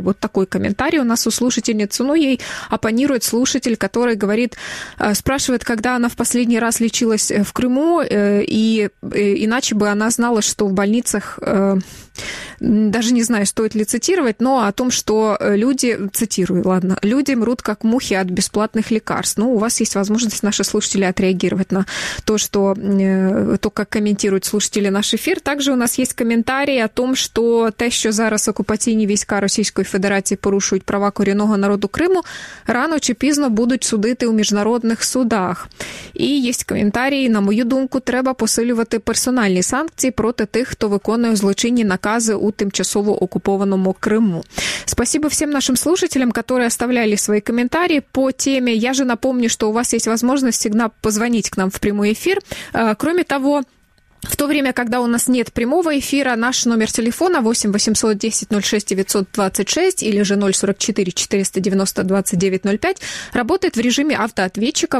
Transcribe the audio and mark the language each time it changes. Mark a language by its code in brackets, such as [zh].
[ru] Вот такой комментарий у нас у слушательницы. Ну, ей оппонирует слушатель, который говорит, спрашивает, когда она в последний раз лечилась в Крыму, и иначе бы она знала, что в больницах, даже не знаю, стоит ли цитировать, но о том, что люди, цитирую, ладно, люди мрут как мухи от бесплатных лекарств. Ну, у вас есть возможность, наши слушатели, отреагировать на то, что то, как комментируют слушатели наш эфир. Также у нас есть комментарии о том, что [uk] те, що зараз окупаційні війська Російської Федерації порушують права корінного народу Криму, рано чи пізно будуть судити у міжнародних судах. І є коментарі, на мою думку, треба посилювати персональні санкції проти тих, хто виконує злочинні накази у тимчасово окупованому Криму. [ru] Спасибо [uk] всім нашим [ru] слушателям, [uk] які [ru] оставляли [uk] свої коментарі по темі. [ru] Я ж напомню, что у вас есть возможность всегда позвонить к нам в прямой эфир. Кроме того, в то время, когда у нас нет прямого эфира, наш номер телефона 8 800 10 06 926 или же 044 490 2905 работает в режиме автоответчика.